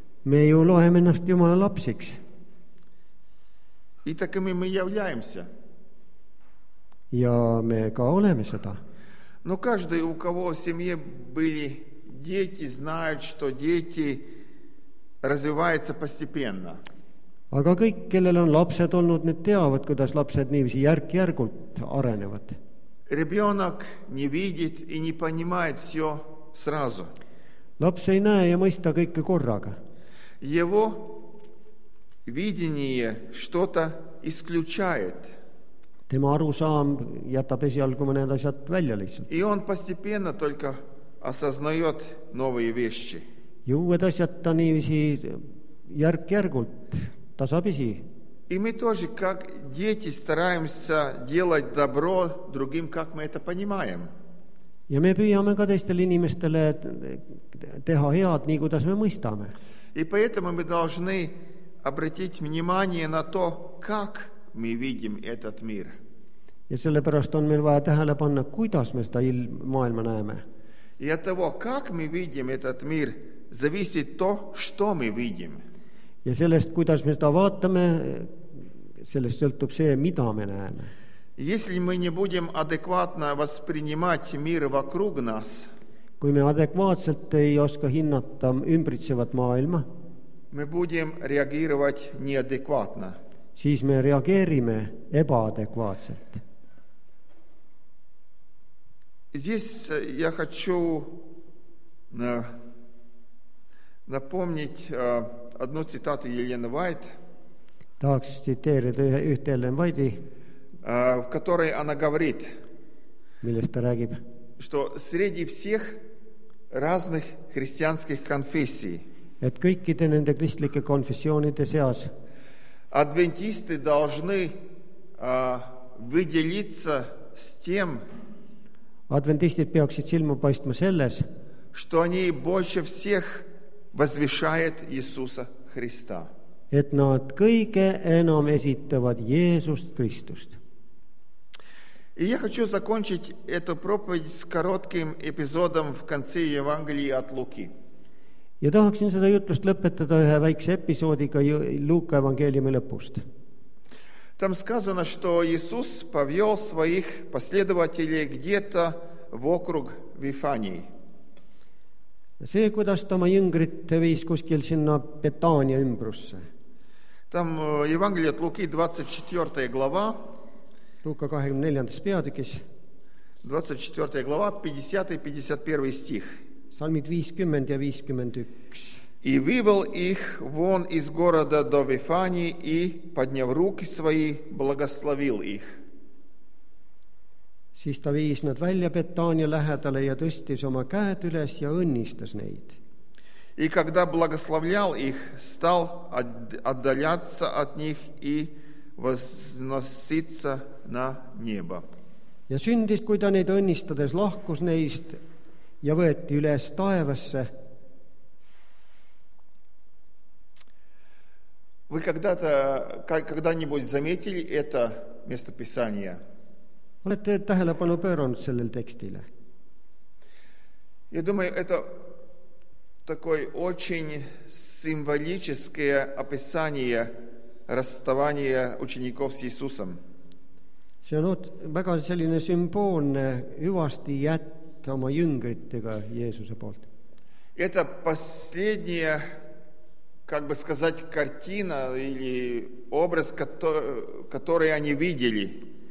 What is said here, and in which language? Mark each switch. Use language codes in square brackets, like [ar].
[et] Me ju loeme ennast Jumala lapsiks. [ru] И такими мы являемся. [et] Ja me ka oleme seda. [ru] Но каждый, у кого в семье были дети, знает, что дети развивается постепенно. [et] Aga kõik, kellel on lapsed olnud, need teavad, kuidas lapsed niiviisi järk-järgult arenevad. [ru] Ребенок не видит и не понимает все сразу. [et] Лапс ei näe ja mõista kõike korraga. [ru] Его видение что-то исключает. [et] Tema arusaam jätab esialgu mõned asjad välja lihtsalt. [ru] И он постепенно только осознает новые вещи. [et] Ja uued asjad ta niiviisi järk-järgult tasapisi. [ru] И мы тоже, как дети, стараемся делать добро другим, как мы это понимаем. [et] Ja me püüame ka teistele inimestele teha head, nii kuidas me mõistame. [ru] И поэтому мы должны обратить внимание на то, как мы видим этот мир. [et] Ja sellepärast on meil vaja tähele panna, kuidas me seda maailma näeme. [ru] И от того, как мы видим этот мир, зависит то, что мы видим. [et] Ja sellest, kuidas me seda vaatame, sellest sõltub see, mida me näeme. [ru] Если мы не будем адекватно воспринимать мир вокруг нас, [et] kui me adekvaatselt ei oska hinnata ümbritsevat maailma, [ru] мы будем реагировать неадекватно. [et] Siis me reageerime ebaadekvaatselt. [ru] Здесь я хочу напомнить одну цитату Елены Вайт. Так, цитирует [et] ühte [ru] Елены Вайти. В которой она говорит, [et] millest räägib, [ru] что среди всех разных христианских конфессий, [et] et kõikide nende kristlike konfessioonide seas, [ru] адвентисты должны выделиться с тем, [et] адвентистид peaksid silma paistma selles, [ru] что они больше всех возвышает Иисуса Христа. [et] Et nad kõige enam esitavad Jeesust Kristust. [ru] И я хочу закончить эту проповедь с коротким эпизодом в конце Евангелии от Луки. [et] Ja tahaksin seda jutlust lõpetada ühe väikse episoodiga Luuka Evangeeliumi lõpust. [ru] Там сказано, что Иисус повел своих последователей где-то вокруг Вифании. [et] See, kuidas ta oma jüngrit viis kuskil sinna Betaania ümbrusse. [ru] Там Евангелие от Луки 24 глава. [et] Luuka 24. Peatükis. [ru] 24 глава, 50-51 стих. [et] Salmid 50 ja 51. [ru] И вывел их вон из города до Вифании и, подняв руки свои, благословил их. [et] Siis ta viis nad välja Betaania lähedale ja tõstis oma käed üles ja õnnistas neid. [ru] И когда благословлял их, стал отдаляться от них и возноситься на небо. [et] Ja sündis, kui ta neid õnnistades lahkus neist ja võeti üles taevasse. [ru] Вы когда-то когда-нибудь заметили это местописание? [et] Olete tähelepanu pööranud sellel tekstile. [ru] Я думаю, это такое очень символическое описание расставания учеников с Иисусом. [et] See on väga selline sümboolne hüvasti jätt oma jüngritega Jeesuse poolt. [ru] Это последняя, как бы сказать, картина или образ, который они видели.